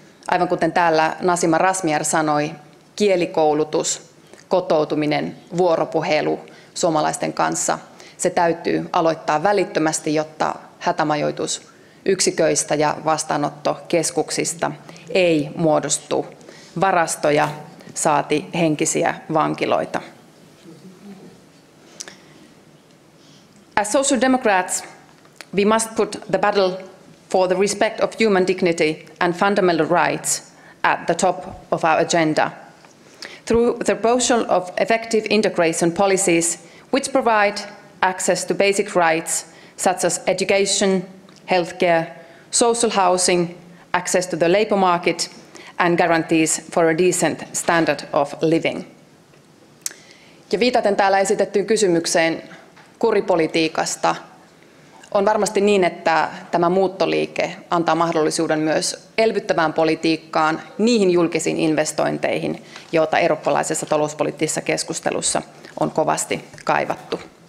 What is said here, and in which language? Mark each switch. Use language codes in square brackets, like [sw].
[fi] Aivan kuten täällä Nasima Razmyar sanoi, kielikoulutus, kotoutuminen, vuoropuhelu suomalaisten kanssa, se täytyy aloittaa välittömästi, jotta hätämajoitus yksiköistä ja vastaanottokeskuksista ei muodostu varastoja, saati henkisiä vankiloita. [en] As social democrats, we must put the battle for the respect of human dignity and fundamental rights at the top of our agenda. Through the proposal of effective integration policies, which provide access to basic rights such as education, healthcare, social housing, access to the labour market, and guarantees for a decent standard of living. [fi] Ja viitaten täällä esitettyyn kysymykseen kuripolitiikasta, on varmasti niin, että tämä muuttoliike antaa mahdollisuuden myös elvyttävään politiikkaan, niihin julkisiin investointeihin, joita eurooppalaisessa talouspoliittisessa keskustelussa on kovasti kaivattu.